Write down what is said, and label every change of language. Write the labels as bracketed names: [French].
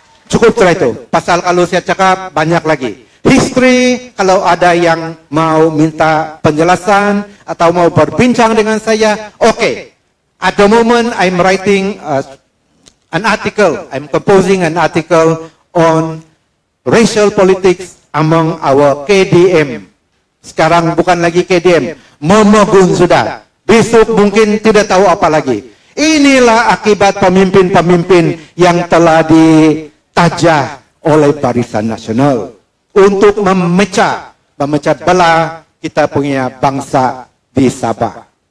[Malay] Cukup setelah itu, pasal kalau saya cakap banyak lagi. History, kalau ada yang mau minta penjelasan atau mau berbincang dengan saya, okay. [English] At the moment, I'm writing an article. I'm composing an article on racial politics among our KDM. [Malay] Sekarang bukan lagi KDM, Mumogun sudah. Besok mungkin tidak tahu apa lagi. Inilah akibat pemimpin-pemimpin yang telah ditajah oleh Barisan Nasional untuk memecah belah kita punya bangsa di Sabah.